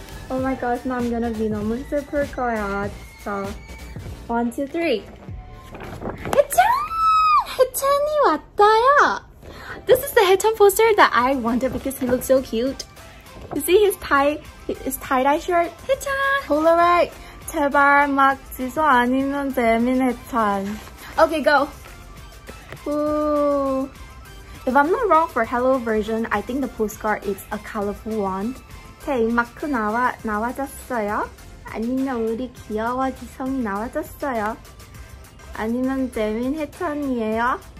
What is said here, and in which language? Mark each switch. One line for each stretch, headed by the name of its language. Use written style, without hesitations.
English: Oh my gosh, now I'm gonna be
Korean: 너무 슬플 거야, 진짜.
English: 1, 2, 3. 해찬!
Korean: 해찬이 왔다요!
English: This is the Haetan poster that I wanted because he looks so cute. You see his tie-dye shirt? Haetan! Polaroid!
Korean: 제발 막 지수 아니면 재민 해찬.
English: Okay, go! Ooh. If I'm not wrong, for Hello version, I think the postcard is a colorful one.
Korean: Okay, 마크 나와졌어요? 아니면 우리 귀여워 지성이 나와졌어요? 아니면 재민 해찬이에요?